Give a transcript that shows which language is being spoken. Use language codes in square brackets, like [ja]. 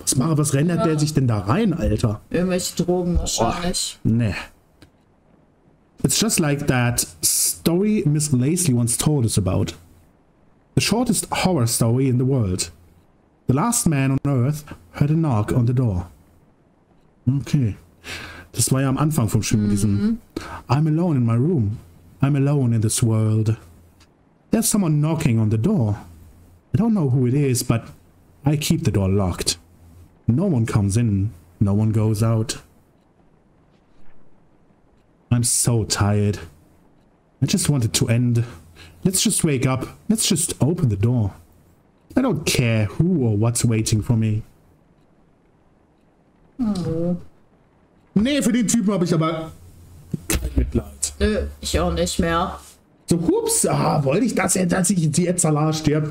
[de] Was rendert der sich denn da rein, Alter? Irgendwelche Drogen wahrscheinlich. Nee. [en] It's just like that story Miss Lacey once told us about. The shortest horror story in the world. The last man on earth heard a knock on the door. [de] Okay. Das war ja am Anfang vom Spiel mit diesem [en] I'm alone in my room. I'm alone in this world. There's someone knocking on the door. I don't know who it is, but I keep the door locked. No one comes in. No one goes out. I'm so tired. I just want it to end. Let's just wake up. Let's just open the door. I don't care who or what's waiting for me. Oh. [de] Nee, für den Typen habe ich aber kein Mitleid. Ich auch nicht mehr. So, hups, wollte ich, dass ich die Zalar stirbt?